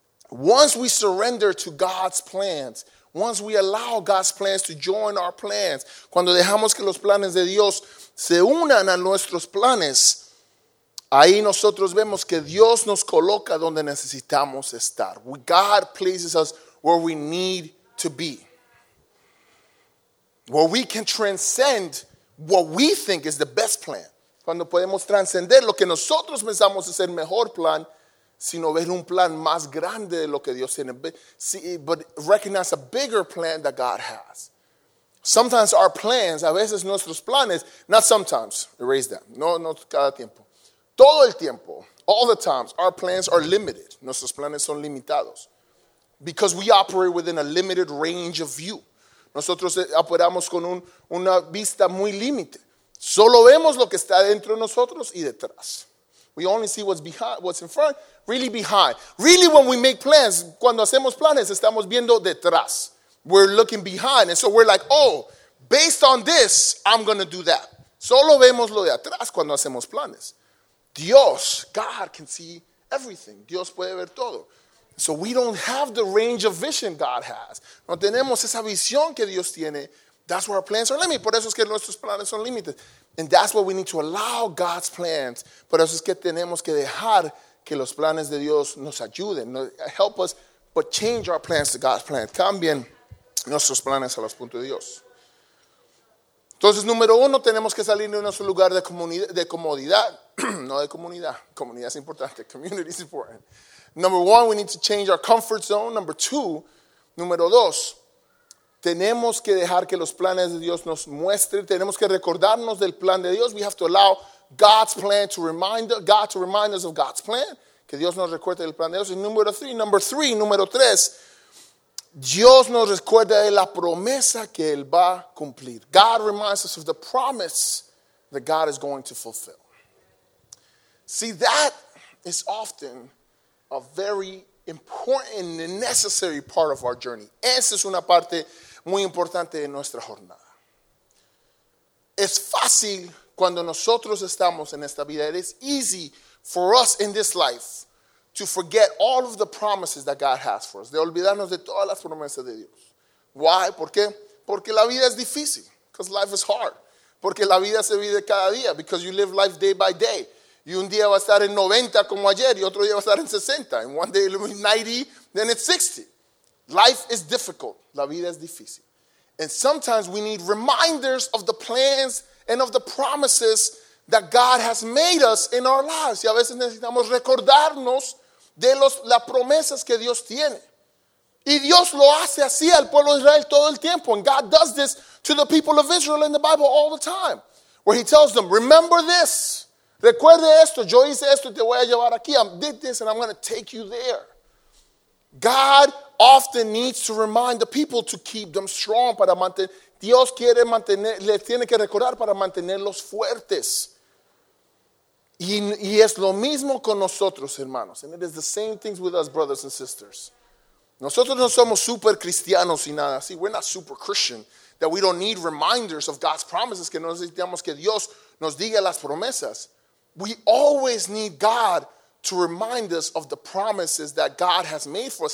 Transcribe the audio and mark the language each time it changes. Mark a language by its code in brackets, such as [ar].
[en] Once we surrender to God's plans, once we allow God's plans to join our plans, [es] cuando dejamos que los planes de Dios se unan a nuestros planes, ahí nosotros vemos que Dios nos coloca donde necesitamos estar. [en] God places us where we need to be. Where we can transcend what we think is the best plan. [es] Cuando podemos transcender lo que nosotros pensamos es el mejor plan, sino ver un plan más grande de lo que Dios tiene. [en] But recognize a bigger plan that God has. Sometimes our plans, [es] a veces nuestros planes, [en] not sometimes, erase that, [es] no cada tiempo. Todo el tiempo, [en] all the times, our plans are limited. [es] Nuestros planes son limitados. [en] Because we operate within a limited range of view. [es] Nosotros operamos con una vista muy límite. Solo vemos lo que está dentro de nosotros y detrás. [en] We only see what's behind, what's in front, really behind. Really when we make plans, [es] cuando hacemos planes, estamos viendo detrás. [en] We're looking behind. And so we're like, oh, based on this, I'm going to do that. [es] Solo vemos lo de atrás cuando hacemos planes. Dios, [en] God can see everything. [es] Dios puede ver todo. [en] So we don't have the range of vision God has. [es] No tenemos esa visión que Dios tiene. [en] That's where our plans are limited. [es] Por eso es que nuestros planes son limited. [en] And that's why we need to allow God's plans. [es] Por eso es que tenemos que dejar que los planes de Dios nos ayuden. [en] Help us, but change our plans to God's plans. [es] Cambien nuestros planes a los puntos de Dios. Entonces, número uno, tenemos que salir de nuestro lugar de comodidad. No de comunidad. Comunidad es importante. [en] Community is important. Number one, we need to change our comfort zone. Number two, [es] número dos, tenemos que dejar que los planes de Dios nos muestren. Tenemos que recordarnos del plan de Dios. [en] We have to allow God's plan to remind us, God to remind us of God's plan. [es] Que Dios nos recuerde del plan de Dios. Y número tres, Dios nos recuerda de la promesa que Él va a cumplir. [en] God reminds us of the promise that God is going to fulfill. See, that is often a very important and necessary part of our journey. [es] Esa es una parte muy importante de nuestra jornada. Es fácil cuando nosotros estamos en esta vida. [en] It is easy for us in this life to forget all of the promises that God has for us. [es] De olvidarnos de todas las promesas de Dios. Why? ¿Por qué? Porque la vida es difícil. [en] Because life is hard. [es] Porque la vida se vive cada día. [en] Because you live life day by day. [es] Y un día va a estar en 90 como ayer, y otro día va a estar en 60. [en] And one day it'll be 90, then it's 60. Life is difficult. [es] La vida es difícil. [en] And sometimes we need reminders of the plans and of the promises that God has made us in our lives. [es] Y a veces necesitamos recordarnos de las promesas que Dios tiene. Y Dios lo hace así al pueblo de Israel todo el tiempo. [en] And God does this to the people of Israel in the Bible all the time. Where he tells them, remember this. [es] Recuerde esto, yo hice esto y te voy a llevar aquí. [en] I did this and I'm going to take you there. God often needs to remind the people to keep them strong. [es] Dios quiere mantener, le tiene que recordar para mantenerlos fuertes. Y es lo mismo con nosotros, hermanos. [en] And it is the same things with us, brothers and sisters. [es] Nosotros no somos super cristianos y nada así. [en] We're not super Christian. That we don't need reminders of God's promises. [es] Que no necesitamos que Dios nos diga las promesas. [en] We always need God to remind us of the promises that God has made for us.